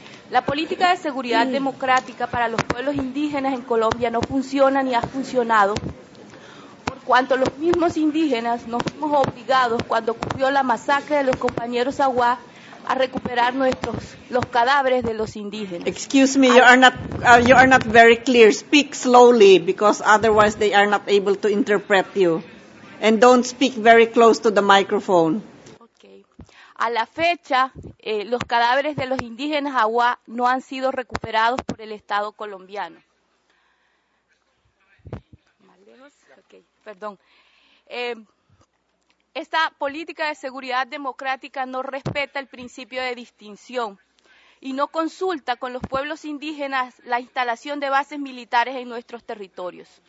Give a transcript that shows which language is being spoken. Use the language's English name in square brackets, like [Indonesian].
[Spanish] La política de seguridad democrática para los pueblos indígenas en Colombia no funciona ni ha funcionado, por cuanto los mismos indígenas nos fuimos obligados, cuando ocurrió la masacre de los compañeros Aguá, a recuperar los cadáveres de los indígenas. [English] Excuse me, you are not very clear. Speak slowly, because otherwise they are not able to interpret you. And don't speak very close to the microphone. Okay. [Spanish] A la fecha, los cadáveres de los indígenas Aguá no han sido recuperados por el Estado colombiano. [English] Okay. [Spanish] Perdón. [English] Esta política de seguridad democrática no respeta el principio de distinción y no consulta con los pueblos indígenas la instalación de bases militares en nuestros territorios.